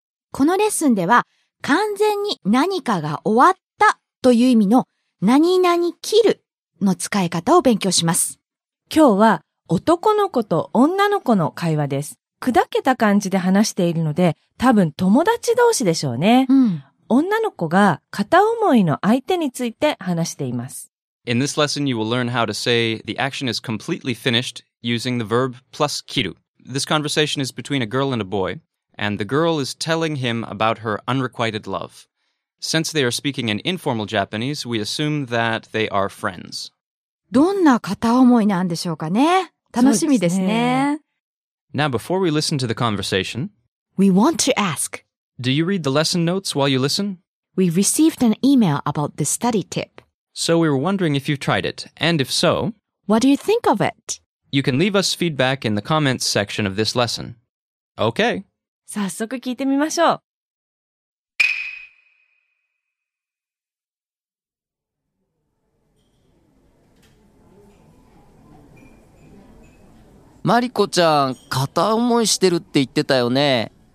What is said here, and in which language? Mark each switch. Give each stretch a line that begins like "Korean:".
Japanese: このレッスンでは、完全に何かが終わったという意味の何々切るの使い方を勉強します。今日は、男の子と女の子の会話です。砕けた感じで話しているので、多分友達同士でしょうね。うん、女の子が片思いの相手について話しています。
English: In this lesson, you will learn how to say the action is completely finished using the verb plus 切る. This conversation is between a girl and a boy, and the girl is telling him about her unrequited love. Since they are speaking in informal Japanese, we assume that they are friends.
Japanese: どんな片思いなんでしょうかね。楽しみですね。
English: Now, before we listen to the conversation, we want to ask, do you read the lesson notes while you listen? We received an email about this study tip. So we were wondering if you've tried it, and if so, what do you think of it? You can leave us feedback in the comments section of this lesson. Okay.
Japanese: 早速聞いてみましょう。マリコちゃん、片思いしてるって言ってたよね。